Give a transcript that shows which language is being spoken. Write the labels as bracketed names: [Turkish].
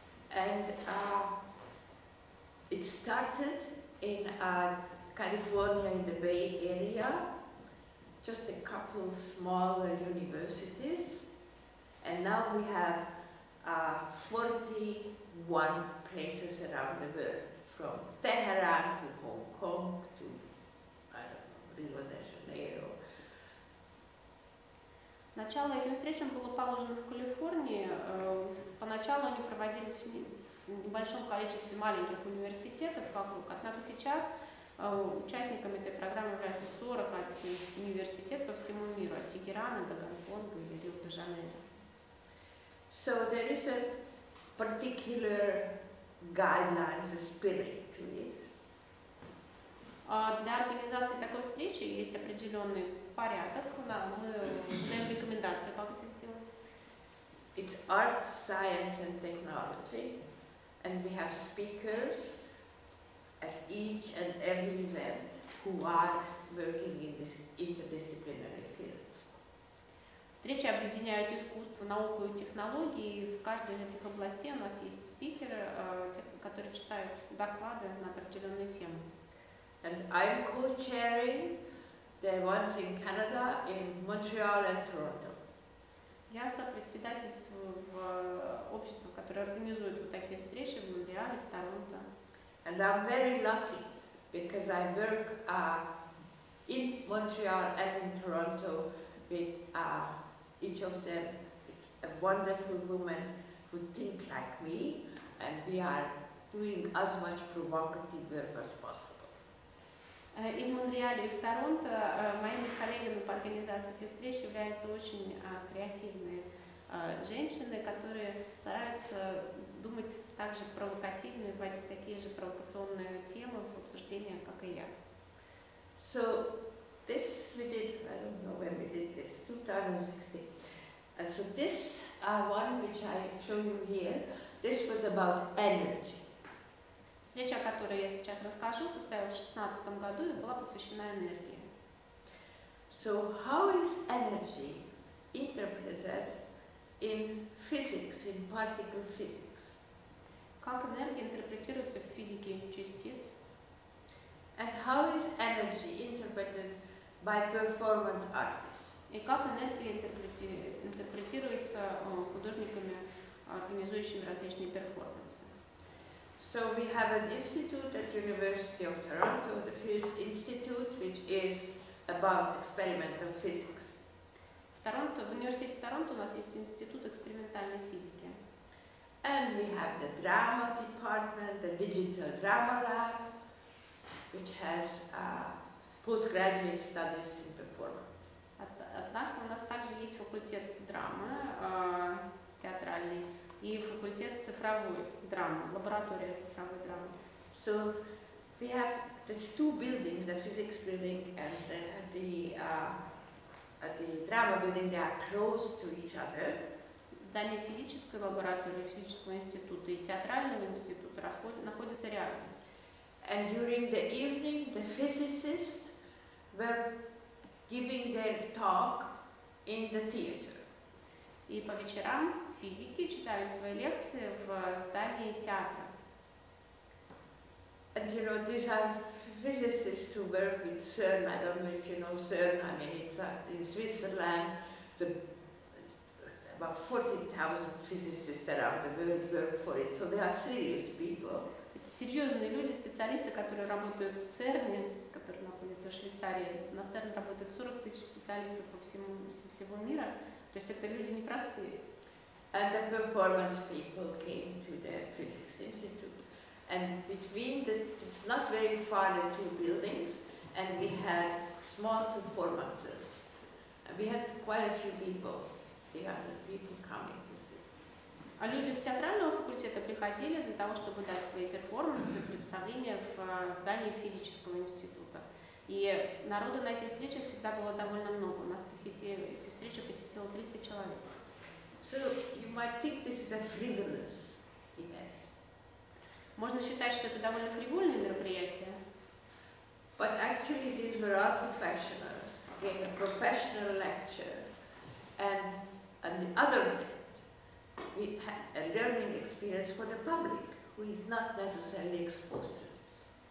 [English] And it started in California in the Bay Area, just a couple smaller universities, and now we have 41 places around the world, from Tehran to Hong Kong to Rio de Janeiro. [Russian] Начало этим встречам было положено в Калифорнии. Поначалу они проводились в небольшом количестве маленьких университетов вокруг. Однако сейчас участниками этой программы являются 41 университет по всему миру, от Тегерана до Гонконга и Рио-де-Жанейро. [English] So there is a particular guidelines spirit to it. [Russian] Для организации такой встречи есть определенный порядок. Мы даем рекомендации, как это сделать. [English] It's art, science and technology. And we have speakers at each and every event who are working in these interdisciplinary fields. [Russian] Встречи объединяют искусство, науку и технологии. В каждой из этих областей у нас есть спикеры, которые читают доклады на определенную тему. [English] And I'm co-chairing the ones in Canada, in Montreal and Toronto. [Russian] Я сопредседательствую в обществе, которое организует вот такие встречи в Монреале, в Торонто. [English] And I'm very lucky because I work in Montreal and in Toronto with each of them a wonderful woman who think like me, and we are doing as much provocative work as possible. [Russian] И в Монреале, и в Торонто моими коллегами по организации этих встреч являются очень креативные женщины, которые стараются думать так же провокативно и вводить такие же провокационные темы в обсуждение, как и я. [English] So this we did, I don't know when we did this, 2016. So this one which I show you here, this was about energy. [Russian] Встреча, о которой я сейчас расскажу, состоялась в 2016 году и была посвящена энергии. [English] So how is energy interpreted in physics, in particle physics? [Russian] Как энергия интерпретируется в физике частиц? [English] And how is energy interpreted by performance artists? [Russian] И как энергия интерпретируется художниками, организующими различные перформансы? [English] So we have an institute at University of Toronto, the Fields Institute, which is about experimental physics. [Russian] В университете Торонто у нас есть институт экспериментальной физики. [English] And we have the drama department, the digital drama lab, which has postgraduate studies in performance. [Russian] Однако у нас также есть факультет драмы театральный и факультет цифровой драмы, лаборатория цифровой драмы. [English] So we have these two buildings, the physics building and the drama building, they are close to each other. [Russian] Здание физической лаборатории, физического института и театрального института находятся рядом. [English] And during the evening, the physicists were giving their talk in the theater. [Russian] И по вечерам физики читали свои лекции в здании театра. [English] And you know, these are physicists who work with CERN. I don't know if you know CERN. I mean, it's in Switzerland. The about 40,000 physicists around the world work for it. So they are serious people. [Russian] Это серьезные люди, специалисты, которые работают в ЦЕРНе, который находится в Швейцарии. На ЦЕРН работают 40,000 специалистов со всего мира. То есть это люди непростые. [English] And the performance people came to the physics institute. And between the, it's not very far, the two buildings, and we had small performances. And we had quite a few people, 300 people coming to see. [Russian] А люди с театрального факультета приходили для того, чтобы дать свои перформансы, представления в здании физического института. И народу на этих встречах всегда было довольно много. У нас посетили, эти встречи посетило 300 человек. [English] So you might think this is a frivolous event. [Russian] Можно считать, что это довольно фривольное мероприятие. [English] But actually these were all professionals, gave a professional lecture, and on the other hand, we had a learning experience for the public, who is not necessarily exposed to this.